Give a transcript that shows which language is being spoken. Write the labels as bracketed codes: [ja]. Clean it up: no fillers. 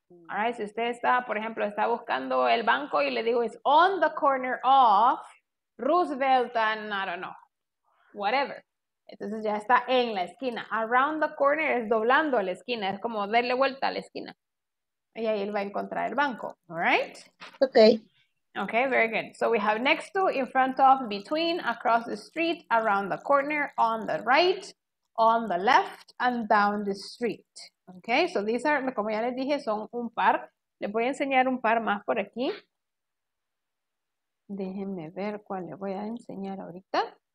[en] All right, [es] si usted está, por ejemplo, está buscando el banco y le digo, es [en] on the corner of Roosevelt, and I don't know. Whatever. [es] Entonces ya está en la esquina. [en] Around the corner [es] es doblando la esquina. Es como darle vuelta a la esquina. Y ahí él va a encontrar el banco. [en] All right? Okay. Okay, very good. So we have next to, in front of, between, across the street, around the corner, on the right, on the left, and down the street. Okay, so these are, [es] como ya les dije, son un par. Les voy a enseñar un par más por aquí. Déjenme ver cuál le voy a enseñar ahorita.